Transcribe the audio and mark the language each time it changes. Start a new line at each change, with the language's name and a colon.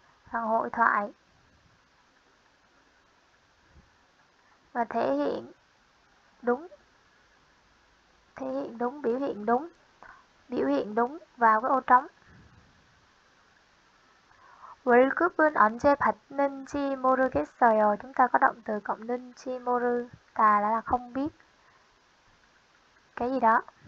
Vietnamese: Phần hội thoại. Và thể hiện đúng, thể hiện đúng, biểu hiện đúng, biểu hiện đúng vào cái ô trống.
Korean: 월급은 언제 받는지 모르겠어요.
Vietnamese: Chúng ta có động từ cộng 는지 모르, ta là không biết cái gì đó.